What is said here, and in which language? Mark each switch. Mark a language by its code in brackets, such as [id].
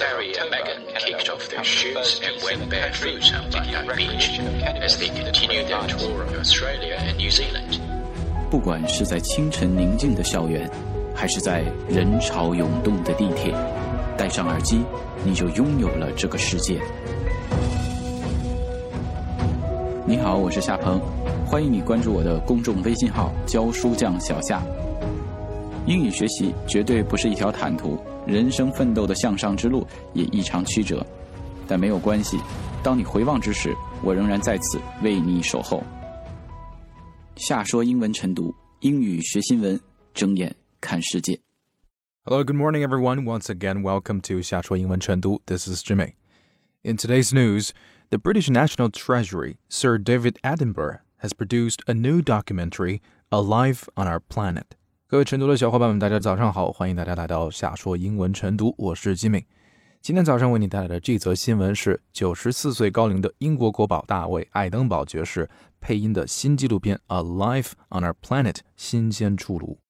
[en] Harry and Meghan kicked off their shoes and went barefoot on the beach as they continued their tour of Australia and New Zealand. [zh] 不管是在清晨宁静的校园，还是在人潮涌动的地铁，戴上耳机，你就拥有了这个世界。你好，我是夏鹏，欢迎你关注我的公众微信号“教书匠小夏”。英语学习绝对不是一条坦途，人生奋斗的向上之路也异常曲折，但没有关系，当你回望之时，我仍然在此为你守候。下说英文晨读，英语学新闻，睁眼看世界。 [en] Hello, good morning, everyone. Once again, welcome to 下说英文晨读。This is Jimmy. In today's news, the British National Treasury, Sir David Attenborough, has produced a new documentary, A Life on Our Planet. [zh] 各位晨读的小伙伴们，大家早上好，欢迎大家来到下说英文晨读，我是 Jimmy。今天早上为你带来的这则新闻是94岁高龄的英国国宝大卫·爱登堡爵士配音的新纪录片《A Life on Our Planet》新鲜出炉。